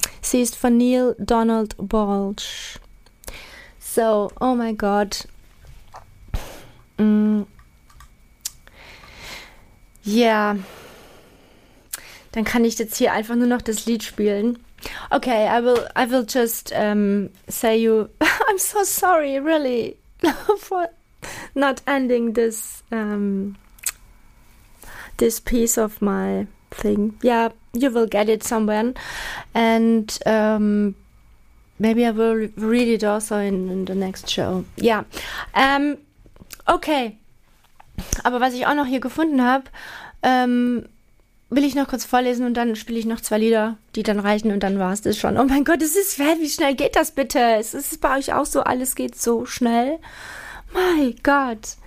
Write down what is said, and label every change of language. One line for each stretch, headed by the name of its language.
German: Sie ist von Neil Donald Walsh. So,
English: oh my God. Yeah.
German: Dann kann ich jetzt hier einfach nur noch das Lied spielen.
English: Okay, I will just say you. I'm so sorry, really, for not ending this this piece of my thing. Yeah, you will get it somewhere, and maybe I will read it also in the next show. Yeah. Okay.
German: Aber was ich auch noch hier gefunden habe, will ich noch kurz vorlesen und dann spiele ich noch zwei Lieder, die dann reichen und dann war es das schon. Oh mein Gott, es ist fett, wie schnell geht das bitte? Es ist bei euch auch so, alles geht so schnell.
English: My God.